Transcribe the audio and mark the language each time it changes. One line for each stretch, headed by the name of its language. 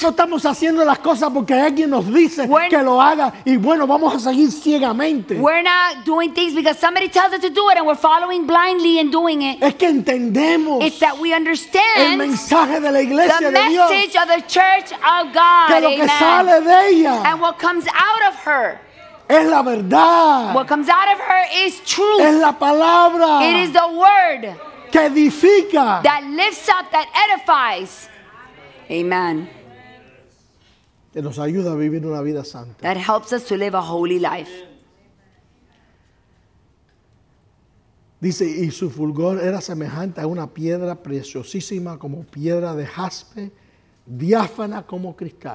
Spanish: No estamos haciendo las cosas porque alguien nos dice que lo haga y bueno, vamos a seguir ciegamente.
English: We're not doing things because somebody tells us to do it and we're following blindly and doing it.
Spanish: Es que entendemos.
English: It's that we understand
Spanish: el mensaje de la iglesia de Dios.
English: The message of the church of God.
Spanish: Que lo que sale de ella.
English: And what comes out of her.
Spanish: Es la verdad.
English: What comes out of her is truth.
Spanish: Es la palabra.
English: It is the word.
Spanish: Que edifica.
English: That lifts up, that edifies. Amen.
Spanish: Que nos ayuda a vivir una vida santa.
English: That helps us to live a holy life.
Spanish: Dice, y su fulgor era semejante a una piedra preciosísima como piedra de jaspe, diáfana como cristal.